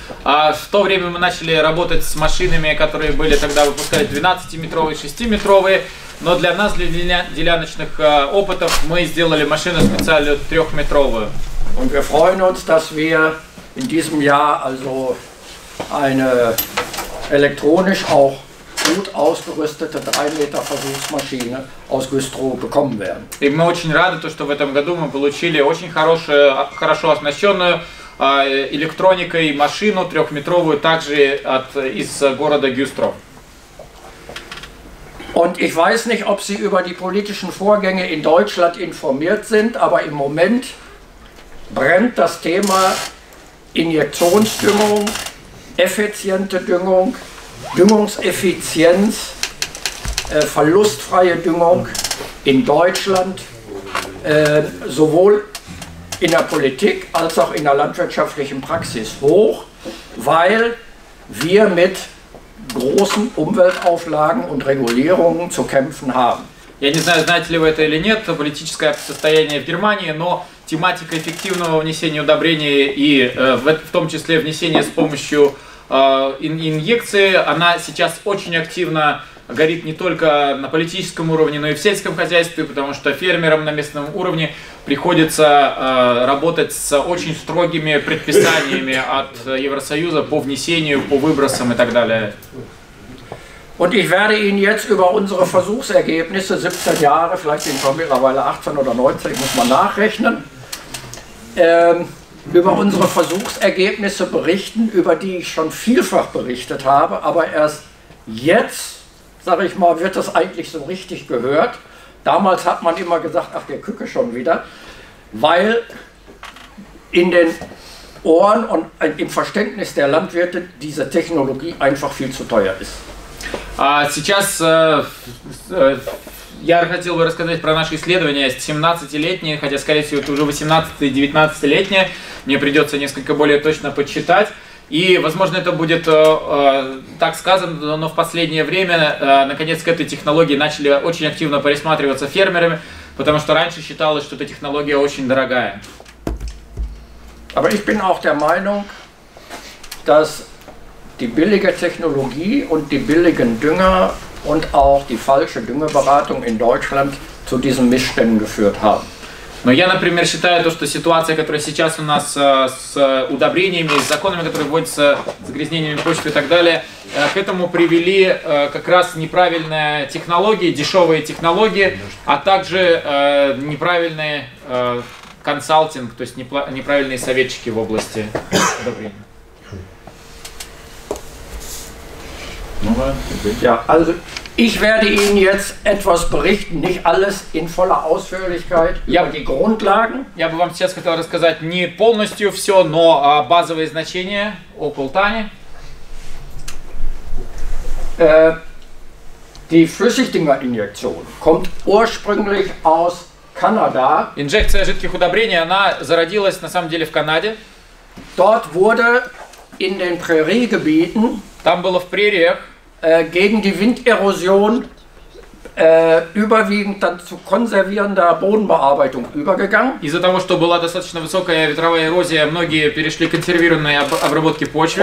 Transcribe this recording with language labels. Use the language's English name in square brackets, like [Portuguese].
[Russian] В то время мы начали работать с машинами, которые были тогда выпускали 12-метровые, 6-метровые. Но для нас, для деляночных опытов, мы сделали машину специально 3-метровую. [German] Und wir freuen uns, dass wir in diesem Jahr also eine elektronisch auch gut ausgerüstete 3 Meter Versuchsmaschine aus Güstrow bekommen werden. [Russian] И мы очень рады, что в этом году мы получили очень хорошо оснащенную электроникой машину 3-метровую также из города Güstrow. [German] Und ich weiß nicht, ob Sie über die politischen Vorgänge in Deutschland informiert sind, aber im Moment brennt das Thema Injektionsdüngung, effiziente Düngung, Düngungseffizienz, verlustfreie Düngung in Deutschland, sowohl in der Politik als auch in der landwirtschaftlichen Praxis hoch, weil wir mit großen Umweltauflagen und Regulierungen zu kämpfen haben. [Russian] Я не знаю, знаете ли вы это или нет, политическое состояние в Германии, но тематика эффективного внесения удобрений и в том числе внесения с помощью инъекции, она сейчас очень активно горит не только на политическом уровне, но и в сельском хозяйстве, потому что фермерам на местном уровне приходится работать с очень строгими предписаниями от Евросоюза по внесению, по выбросам и так далее. [German] Und ich werde Ihnen jetzt über unsere Versuchsergebnisse, 17 Jahre, vielleicht sind wir mittlerweile 18 oder 19, muss man nachrechnen, über unsere Versuchsergebnisse berichten, über die ich schon vielfach berichtet habe, aber erst jetzt, sage ich mal, wird das eigentlich so richtig gehört. Damals hat man immer gesagt, ach, der Kücke schon wieder, weil in den Ohren und im Verständnis der Landwirte diese Technologie einfach viel zu teuer ist. [Russian] Сейчас я хотел бы рассказать про наше исследование. 17-летние, хотя, скорее всего, это уже 18-19-летние. Мне придется несколько более точно подсчитать. И, возможно, это будет так сказано, но в последнее время, наконец, к этой технологии начали очень активно присматриваться фермерами, потому что раньше считалось, что эта технология очень дорогая. [German] Aber ich bin auch der Meinung, dass die billige Technologie und die billigen Dünger und auch die falsche Düngeberatung in Deutschland zu diesen Missständen geführt haben. [Russian] Но я, например, считаю то, что ситуация, которая сейчас у нас с удобрениями, с законами, которые вводятся, с загрязнениями почвы и так далее, к этому привели как раз неправильные технологии, дешевые технологии, а также неправильный консалтинг, то есть неправильные советчики в области удобрений. [German] Ja, also ich werde Ihnen jetzt etwas berichten, nicht alles in voller Ausführlichkeit, über die Grundlagen. [Russian] Я бы вам сейчас хотел рассказать не полностью все, но базовые значения о Култане. [German] Die Flüssigdüngerinjektion kommt ursprünglich aus Kanada. [Russian] Инжекция жидких удобрений, она зародилась на самом деле в Канаде. [German] Dort wurde in den Präriegebieten. [Russian] Там было в прериях. [German] Gegen die Winderosion überwiegend dann zu konservierender Bodenbearbeitung übergegangen. [Russian] Из-за того, что была достаточно высокая ветровая эрозия, многие перешли к консервированной обработке почвы.